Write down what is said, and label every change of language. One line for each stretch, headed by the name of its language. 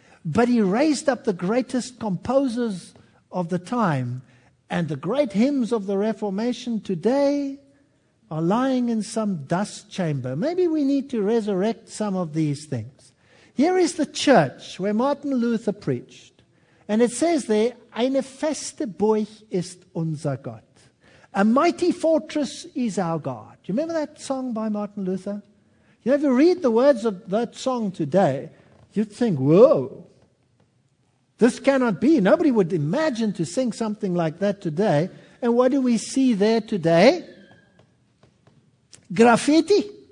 English: But he raised up the greatest composers of the time. And the great hymns of the Reformation today are lying in some dust chamber. Maybe we need to resurrect some of these things. Here is the church where Martin Luther preached. And it says there,
German: eine feste Burg ist unser Gott.
English: A mighty fortress is our God. Do you remember that song by Martin Luther? You know, if you read the words of that song today, you'd think, whoa, this cannot be. Nobody would imagine to sing something like that today. And what do we see there today? Graffiti.